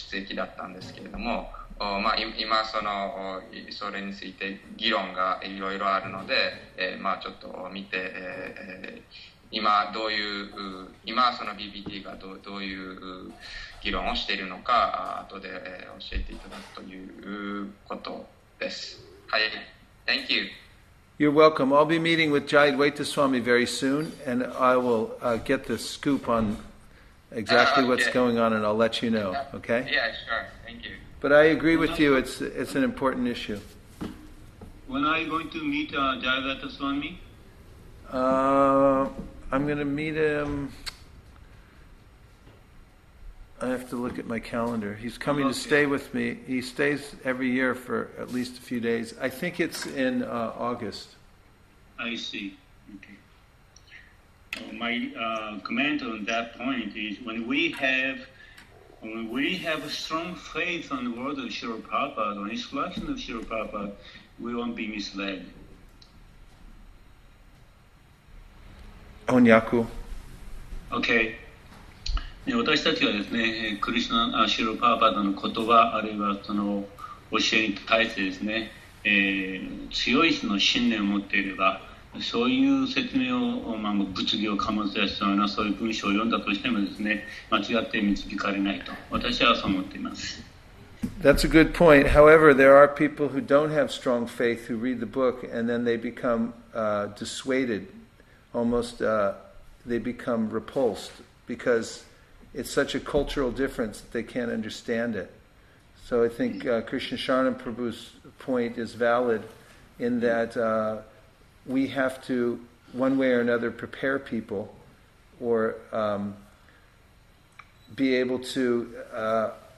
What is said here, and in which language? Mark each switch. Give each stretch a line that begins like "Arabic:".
Japanese: 摘だったんですけれども、今それについて議論がいろいろあるので、ちょっと見て、今その BBT がどういう議論をしているのか後で教えていただくということです。
English: はい、 Thank you. You're welcome. I'll be meeting with Jai Dwaita Swami very soon and I will get the scoop on exactly what's going on and I'll let you know, okay? Yeah, sure. Thank you. But I agree with you, it's an important issue. When are you going to meet Jayadatta Swami? I'm going to meet him. I have to look at my calendar. He's coming to stay with me. He stays every year for at least a few days. I think it's in August. I see. Okay. My comment on that point is when we have a strong faith on the word of Srila Prabhupada, on his collection of Srila Prabhupada, we won't be misled.
Japanese: Onyaku. Okay. 私たちはですね、クリスナ、シュラ・プラーパーダの言葉、あるいはその、教えに対してですね、強いその信念を持っていれば、そういう説明を、まあ、物議を醸すやつのようなそういう文章を読んだとしてもですね、間違って導かれないと私はそう思っています。
English: That's a good point. However, there are people who don't have strong faith who read the book and then they become dissuaded, almost they become repulsed because it's such a cultural difference that they can't understand it. So I think Krishnasharana Prabhu's point is valid in that we have to, one way or another, prepare people or be able to...